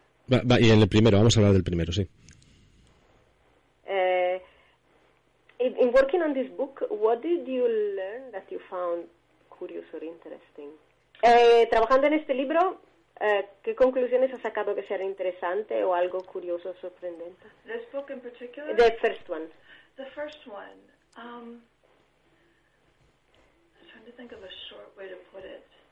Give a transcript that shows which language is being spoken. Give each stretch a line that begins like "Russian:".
Spanish: Va, y en el primero, vamos a hablar del primero, sí.
English: In working on this book, what did you learn that you found curious or interesting?
Spanish: Trabajando en este libro, ¿qué conclusiones has sacado que sea interesante o algo curioso o sorprendente?
English: This book in particular? The first one. The first one. I'm trying to think of a short way to put it.